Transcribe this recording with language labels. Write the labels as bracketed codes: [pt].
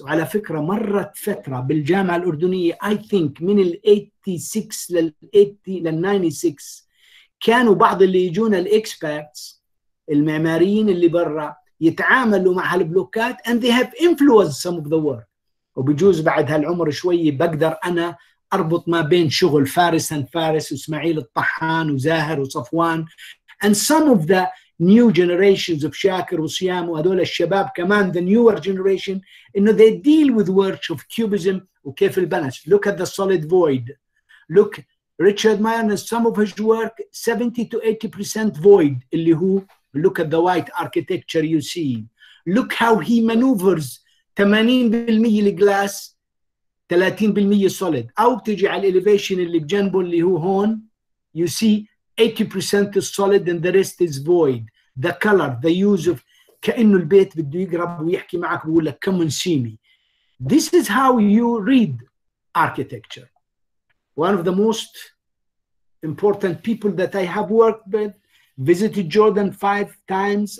[ar] وعلى فكرة مرت فترة بالجامعة الأردنية [en] I think [ar] من ال 86 لل 96 كانوا بعض اللي يجونا الإكسباكتس المعماريين اللي برا يتعاملوا مع هالبلوكات [en] and they have influenced some of the work. [ar] وبجوز بعد هالعمر شوي بقدر أنا أربط ما بين شغل فارس and فارس وإسماعيل الطحان وزاهر وصفوان [en] and some of the new generations of [ar] شاكر وصيام وهذول الشباب كمان [en] the newer generation [ar] إنه [en] they deal with works of cubism [ar] وكيف البنش. [en] Look at the solid void. Look Richard Mayer and some of his work 70-80% void [ar] اللي هو [en] look at the white architecture you see. Look how he maneuvers 80% الجلاس 30% solid. [ar] أو تجي على الإليفيشن اللي بجنبه اللي هو هون [en] you see 80% is solid and the rest is void. The color, the use of [ar] كأنه البيت بده يقرب ويحكي معك ويقول لك [en] come and see me. This is how you read architecture. One of the most important people that I have worked with, visited Jordan 5 times.